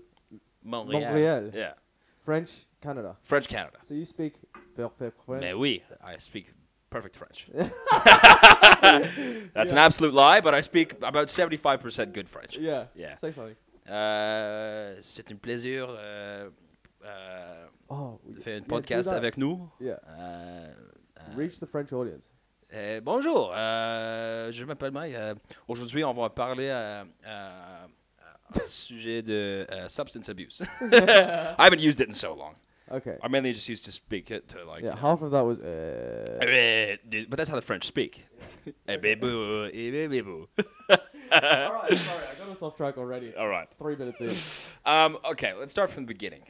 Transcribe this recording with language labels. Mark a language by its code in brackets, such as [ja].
[en] So Montreal. Yeah. French Canada. So you speak perfect French. [fr] Mais oui, [en] I speak perfect French. That's an absolute lie, but I speak about 75% good French. Yeah. Yeah. Say something. [fr] C'est un plaisir. Faire un podcast avec nous. [en] Yeah. Reach the French audience. [fr] Bonjour, je m'appelle Mike. Aujourd'hui, on va parler à un sujet de [en] substance abuse. I haven't used it in so long. Okay. I mainly just used to speak it to like... Yeah, half of that was... But that's how the French speak. All right, sorry, I got us off track already. It's all right. 3 minutes in. Okay, let's start from the beginning.